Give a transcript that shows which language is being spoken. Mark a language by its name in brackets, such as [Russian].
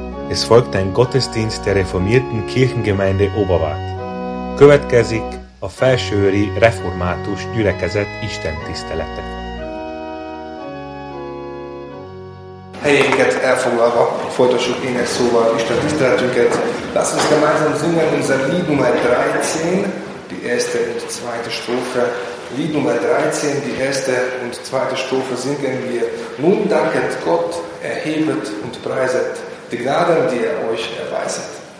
[German] Es folgt ein Gottesdienst der reformierten Kirchengemeinde Obavát. [Hungarian] Következik a Felsőőri Református Gyülekezet istentisztelete. Helyénket elfoglalva folytassuk ének szóval istentiszteletünket. [German] Lass uns gemeinsam singen unser Lied Nummer 13, die erste und zweite Strophe. Lied Nummer 13, die erste und zweite Strophe singen wir. Nun danket Gott, erhebet und preiset die Gnaden, die euch erweiset.